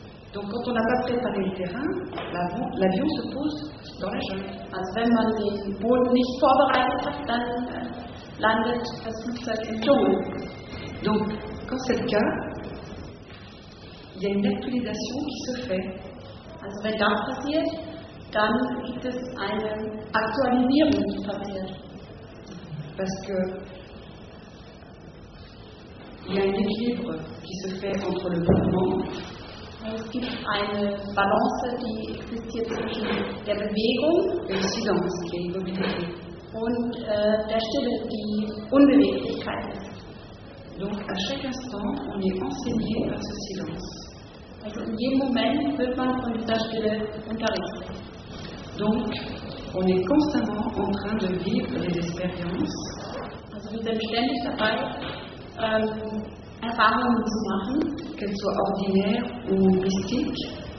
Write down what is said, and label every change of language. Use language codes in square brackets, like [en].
[fr] Donc quand on n'a pas préparé le terrain, l'avion se pose dans la jungle. [de] Also wenn man den Boden nicht vorbereitet hat, dann landet das Flugzeug im Dschungel. [fr] Donc quand c'est le cas, il y a une actualisation qui se fait. [de] Also wenn das passiert, dann gibt es eine Aktualisierung, die passiert. [fr] Parce que il y a un équilibre qui se fait entre le mouvement. [de] Es gibt eine Balance, die existiert zwischen der Bewegung [fr] et silence, [de] die Immobilität, und der Stille, die Unbeweglichkeit ist. [fr] Donc à chaque instant, on est enseigné par ce silence. [de] Also in jedem Moment wird man von dieser Stille unterrichtet. [fr] Donc on est constamment en train de vivre des expériences. [de] Also wir sind ständig dabei, Erfahrungen zu machen, [fr] qu'elles soient ordinaires ou mystiques,